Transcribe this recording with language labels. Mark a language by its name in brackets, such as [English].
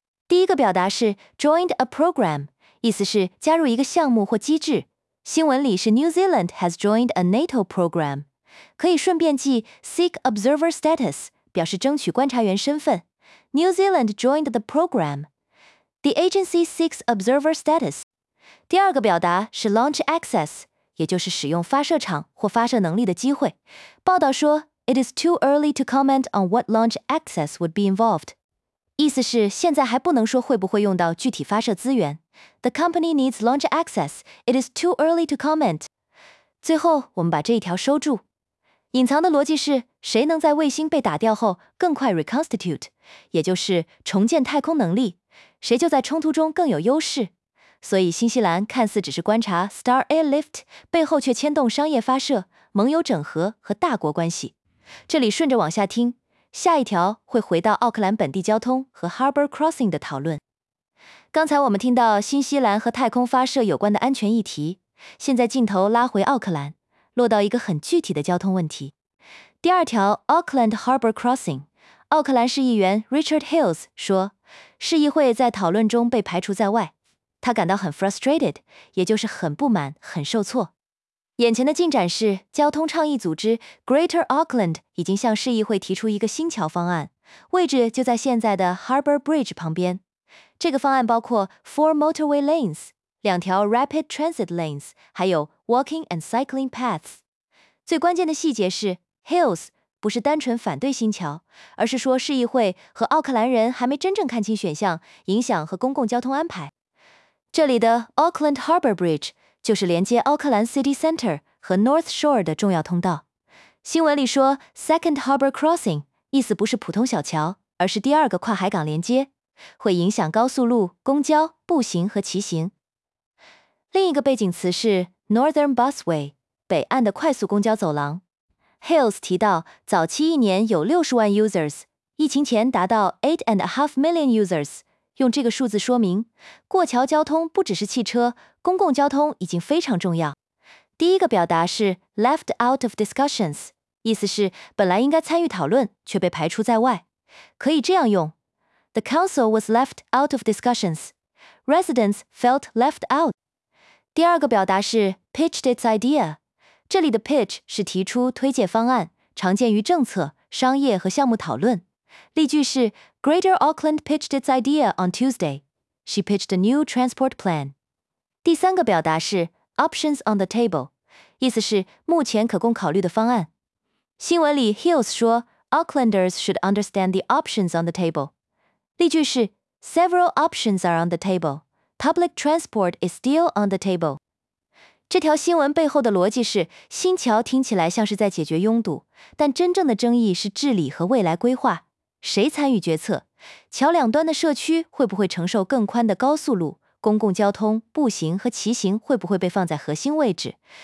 [Chinese] 第一个表达是 [English] joined a program， [Chinese] 意思是加入一个项目或机制，新闻里是 [English] New Zealand has joined a NATO program， [Chinese] 可以顺便记 [English] seek observer status， [Chinese] 表示争取观察员身份。 [English] New Zealand joined the program， The agency seeks observer status。 [Chinese] 第二个表达是 launch access， 也就是使用发射场或发射能力的机会。报道说 ， [English] It is too early to comment on what launch access would be involved， [Chinese] 意思是现在还不能说会不会用到具体发射资源。 [English] The company needs launch access. It is too early to comment。 [Chinese] 最后，我们把这一条收住。隐藏的逻辑是，谁能在卫星被打掉后更快 reconstitute， 也就是重建太空能力，谁就在冲突中更有优势。所以新西兰看似只是观察 Star Airlift， 背后却牵动商业发射、盟友整合和大国关系。这里顺着往下听，下一条会回到奥克兰本地交通和 Harbour Crossing 的讨论。刚才我们听到新西兰和太空发射有关的安全议题，现在镜头拉回奥克兰，落到一个很具体的交通问题。第二条 Auckland Harbour Crossing， 奥克兰市议员 Richard Hills 说，市议会在讨论中被排除在外，他感到很 frustrated， 也就是很不满、很受挫。眼前的进展是，交通倡议组织 Greater Auckland 已经向市议会提出一个新桥方案，位置就在现在的 Harbour Bridge 旁边。这个方案包括 [English] 4 motorway lanes， [Chinese] 两条 [English] rapid transit lanes， [Chinese] 还有 [English] walking and cycling paths。 [Chinese] 最关键的细节是， Hills 不是单纯反对新桥，而是说市议会和奥克兰人还没真正看清选项、影响和公共交通安排。这里的 Auckland Harbour Bridge 就是连接奥克兰 City Center 和 North Shore 的重要通道。新闻里说 Second Harbour Crossing 意思不是普通小桥，而是第二个跨海港连接，会影响高速路、公交、步行和骑行。另一个背景词是 Northern Busway 北岸的快速公交走廊。 Hills 提到，早期一年有60万 users， 疫情前达到 8.5 million users。用这个数字说明，过桥交通不只是汽车，公共交通已经非常重要。第一个表达是 [English] left out of discussions， [Chinese] 意思是本来应该参与讨论，却被排除在外。可以这样用 [English] ：The council was left out of discussions. Residents felt left out. [Chinese] 第二个表达是 [English] pitched its idea。 [Chinese] 这里的 pitch 是提出推介方案，常见于政策、商业和项目讨论。例句是 [English] Greater Auckland pitched its idea on Tuesday. She pitched a new transport plan. [Chinese] 第三个表达是 [English] options on the table， [Chinese] 意思是目前可供考虑的方案。新闻里 [English] Hills [Chinese] 说 [English] Aucklanders should understand the options on the table. [Chinese] 例句是 [English] Several options are on the table. Public transport is still on the table. [Chinese] 这条新闻背后的逻辑是，新桥听起来像是在解决拥堵，但真正的争议是治理和未来规划，谁参与决策？桥两端的社区会不会承受更宽的高速路？公共交通、步行和骑行会不会被放在核心位置？